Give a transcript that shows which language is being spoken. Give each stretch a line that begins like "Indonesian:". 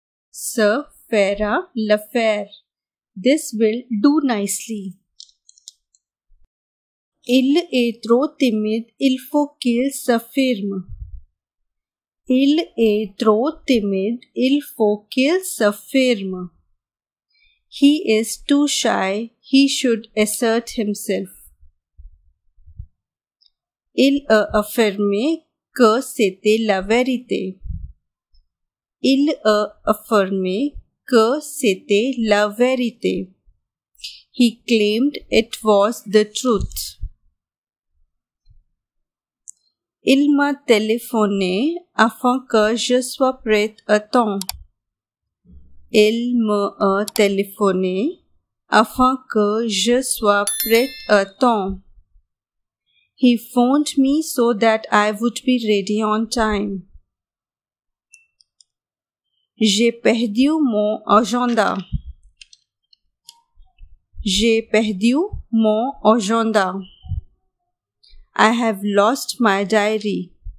French: Se fera l'affaire.
English: This will do nicely.
French: Il est trop timide, il faut qu'il s'affirme. Il est trop timide, il faut qu'il s'affirme.
English: He is too shy, he should assert himself.
French: Il a affirmé que c'était la vérité. Il a affirmé que c'était la vérité.
English: He claimed it was the truth.
French: Il m'a téléphoné afin que je sois prête à temps. Il m'a téléphoné afin que je sois prête à temps.
English: He phoned me so that I would be ready on time.
French: J'ai perdu mon agenda. J'ai perdu mon agenda.
English: I have lost my diary.